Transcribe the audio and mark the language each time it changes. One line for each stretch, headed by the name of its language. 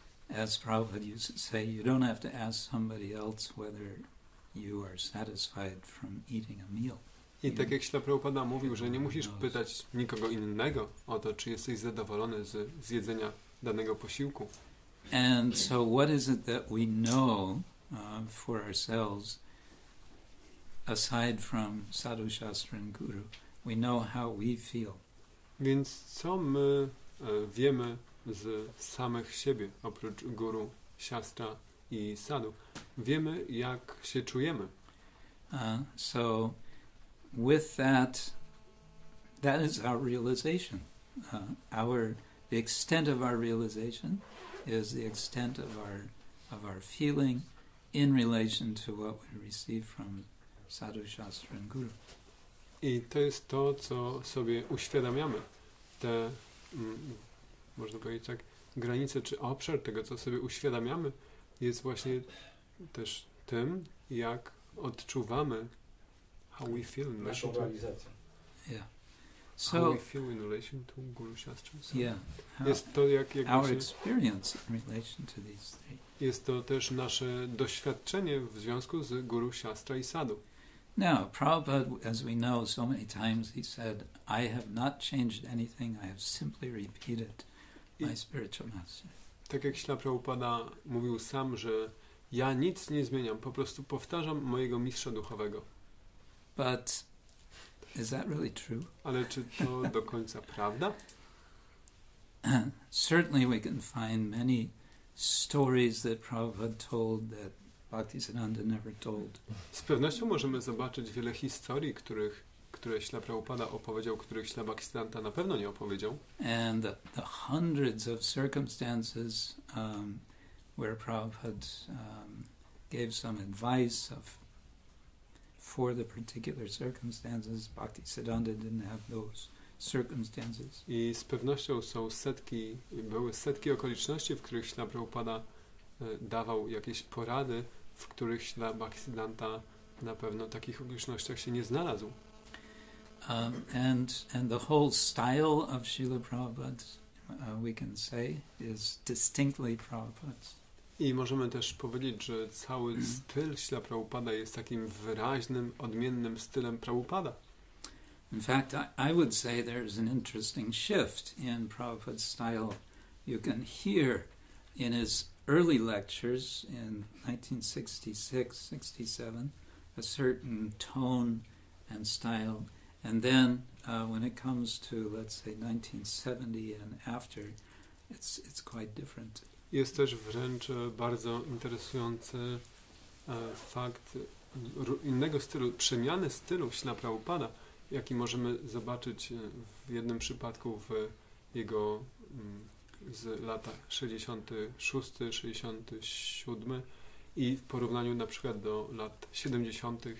English: As Prabhupada used to say, you don't have to ask somebody else whether you are satisfied from eating a meal.
Polish: I tak jak Śrila Prabhupada mówił, że nie musisz pytać nikogo innego o to, czy jesteś zadowolony z jedzenia danego posiłku.
English: And so what is it that we know for ourselves aside from sadhu, shastra and guru? We know how we feel.
Polish: Więc co my wiemy z samych siebie, oprócz guru, siastra i sadhu? Wiemy, jak się czujemy.
English: So with that is our realization. The extent of our realization is the extent of our feeling in relation to what we receive from sadhu, shastra and guru.
Polish: I to jest to, co sobie uświadamiamy. Te, można powiedzieć tak, granice czy obszar tego, co sobie uświadamiamy, jest właśnie też tym, jak odczuwamy,
English: how we feel in relation to yeah. So, how we feel in relation to guru, shastra. So, yeah.
Polish: Jest to jak
English: our experience in relation to these three.
Polish: Jest to też nasze doświadczenie w związku z guru, shastra i sadhu.
English: Now, Prabhupada, as we know, so many times he said, I have not changed anything, I have simply repeated my spiritual master.
Polish: Tak jak Śrila Prabhupada mówił sam, że ja nic nie zmieniam, po prostu powtarzam mojego mistrza duchowego.
English: But is that really true?
Polish: Ale czy to do końca prawda?
English: Certainly we can find many stories that Prabhupada told that Bhaktisiddhanta never told.
Polish: Z pewnością możemy zobaczyć wiele historii, które Śrila Prabhupada opowiedział, których Śrila Bhaktisiddhanta na pewno nie opowiedział.
English: And the hundreds of circumstances where Prabhupada gave some advice for the particular circumstances, Bhaktisiddhanta didn't have those circumstances.
Polish: I z pewnością są setki, były setki okoliczności, w których Śrila Prabhupada dawał jakieś porady, w których Śrila Bhaktisiddhanta na pewno takich okolicznościach się nie znalazł.
English: And the whole style of Srila Prabhupada, we can say, is distinctly Prabhupada's.
Polish: I możemy też powiedzieć, że cały styl Śla Prabhupada jest takim wyraźnym, odmiennym stylem Prabhupada.
English: In fact, I would say there is an interesting shift in Prabhupada's style. You can hear in his early lectures in 1966-67 a certain tone and style. And then when it comes to, let's say, 1970 and after, it's quite different.
Polish: Jest też wręcz bardzo interesujący fakt innego stylu, przemiany stylu Śla Prabhupada, jaki możemy zobaczyć w jednym przypadku w jego z latach 66-67 i w porównaniu na przykład do lat 70.